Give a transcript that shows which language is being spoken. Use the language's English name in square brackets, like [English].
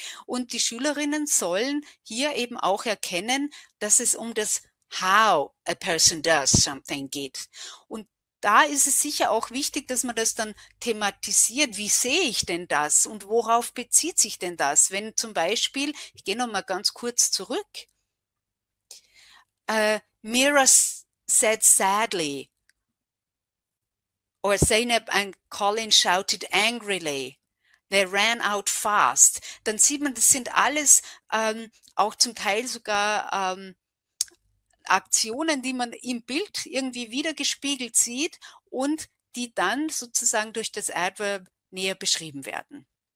[German] Und die Schülerinnen sollen hier eben auch erkennen, dass es um das [English] how a person does something [German] geht. Und da ist es sicher auch wichtig, dass man das dann thematisiert. Wie sehe ich denn das und worauf bezieht sich denn das? Wenn zum Beispiel, ich gehe noch mal ganz kurz zurück. [English] Mira said sadly, or Zeynep and Colin shouted angrily, they ran out fast. [German] Dann sieht man, das sind alles auch zum Teil sogar Aktionen, die man im Bild irgendwie wiedergespiegelt sieht und die dann sozusagen durch das Adverb näher beschrieben werden.